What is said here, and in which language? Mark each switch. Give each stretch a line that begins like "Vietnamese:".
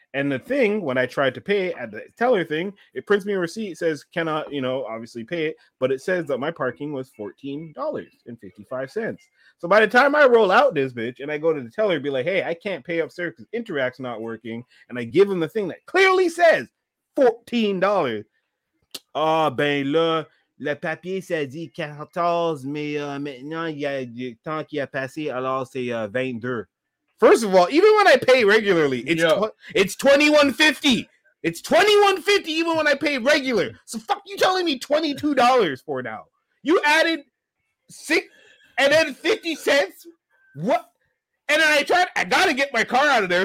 English: And the thing, when I tried to pay at the teller thing, it prints me a receipt, says cannot, you know, obviously pay it, but it says that my parking was $14.55. So by the time I roll out this bitch and I go to the teller and be like, hey, I can't pay upstairs because Interact's not working, and I give them the thing that clearly says $14.
French: Ah, oh, ben là, le papier s'est dit 14, mais maintenant, il y a du temps qui a passé, alors c'est 22.
English: First of all, even when I pay regularly, it's $21.50. It's $21.50 even when I pay regular. So fuck you telling me $22 for now. You added six and then 50 cents? What? And then I got to get my car out of there.